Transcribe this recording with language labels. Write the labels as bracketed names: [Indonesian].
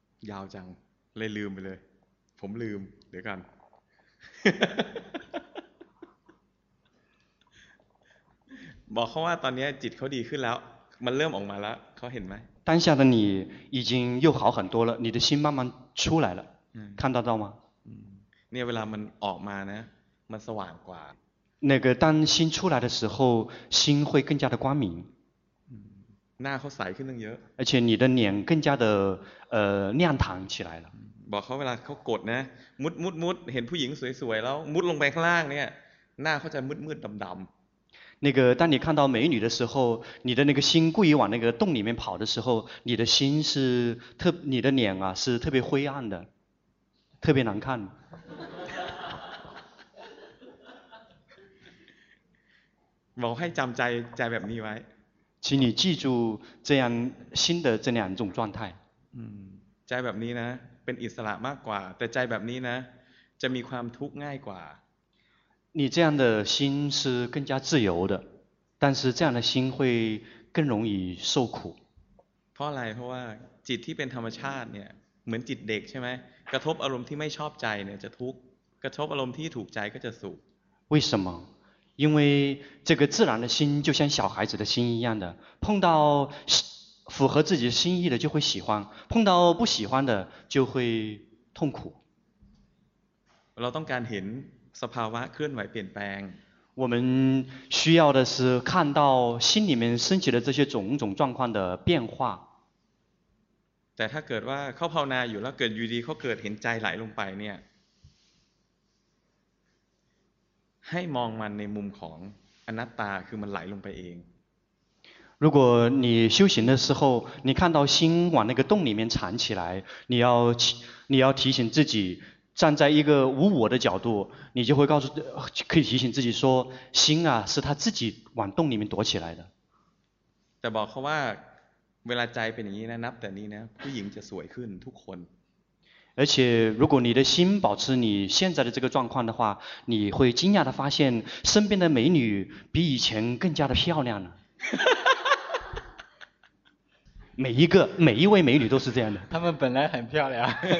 [Thai] ยาวจังเลยลืมไปเลยผมลืมเดี๋ยวกันบอกเขาว่าตอนนี้จิตเขาดีขึ้นแล้วมันเริ่มออกมาแล้วเขาเห็นไหม [Chinese] 当下的你已经又好很多了你的心慢慢出来了看到吗 [Thai] เนี่ยเวลามันออกมานะมันสว่างกว่า [Chinese] 那个当心出来的时候心会更加的光明 [Thai] หน้าเขาใสขึ้นเยอะ [Chinese] 而且你的脸更加的亮堂起来了 [Thai] บอกเขาเวลาเขากดนะมุดเห็นผู้หญิงสวยๆแล้วมุดลงไปข้างล่างเนี่ยหน้าเขาจะมืดๆดำ [Chinese] ๆ那个当你看到美女的时候你的那个心故意往那个洞里面跑的时候你的心是特你的脸啊是特别灰暗的特别难看 [Thai] บอกให้จำใจแบบนี้ไว้ [Chinese] 请你记住这样新的这两种状态 [Thai] 在แบบนี้นะ ป็นอิสระมากกว่าแต่ใจแบบนี้นะจะมีความทุกข์ง่ายกว่า [Chinese] 你这样的心是更加自由的但是这样的心会更容易受苦 [Thai] เพราะอะไรเพราะว่าจิตที่เป็นธรรมชาติเนี่ยเหมือนจิตเด็กใช่ไหมกระทบอารมณ์ที่ไม่ชอบใจเนี่ยจะทุกข์กระทบอารมณ์ที่ถูกใจก็จะสุข [Chinese] 为什么因为这个自然的心就像小孩子的心一样的碰到符合自己心意的就会喜欢碰到不喜欢的就会痛苦 [Thai] เราต้องการเห็นสภาวะเคลื่อนไหวเปลี่ยนแปลง [Chinese] 我们需要的是看到心里面升起的这些种种状况的变化 [Thai] แต่ถ้าเกิดว่าเขาภาวนาอยู่แล้วเกิดอยู่ดีเขาเกิดเห็นใจไหลลงไปเนี่ยให้มองมันในมุมของอนัตตาคือมันไหลลงไปเอง [Chinese] 如果你修行的时候你看到心往那个洞里面缠起来你要提醒自己站在一个无我的角度你就会告诉可以提醒自己说心啊是他自己往洞里面躲起来的 [Thai] แต่บอกเขาว่าเวลาใจเป็นอย่างนี้นะนับแต่นี้นะผู้หญิงจะสวยขึ้นทุกคน [Chinese] 而且如果你的心保持你现在的这个状况的话你会惊讶地发现身边的美女比以前更加的漂亮了每一位美女都是这样的她们本来很漂亮